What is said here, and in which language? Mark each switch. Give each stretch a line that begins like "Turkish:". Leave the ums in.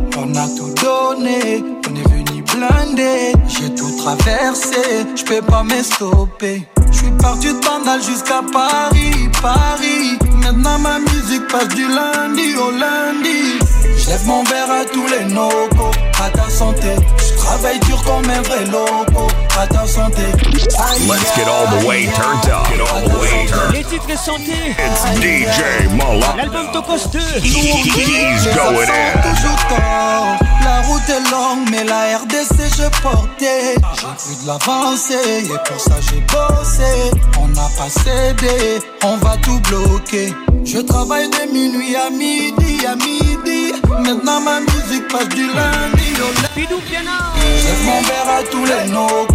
French: On a tout donné. Lundi, j'ai tout traversé, je peux pas m'estoper J'suis Je suis parti de jusqu'à Paris, Paris. Maintenant ma musique passe du lundi au lundi. J'lève mon verre à tous les no-go à ta santé. Je travaille dur comme un vrai loco, à ta santé.
English: Let's get all the way, let's get all way turned up. Get all the way
French: les titres de santé.
English: It's DJ Mola.
French: L'album 2.
English: he's, oh, he's going, going in.
French: La route est longue, mais la R je portais. J'ai cru de l'avancée et pour ça j'ai bossé. On n'a pas cédé, on va tout bloquer. Je travaille de minuit à midi, à midi. Maintenant ma musique passe du lundi au lundi. J'ai mon verre à tous les locaux.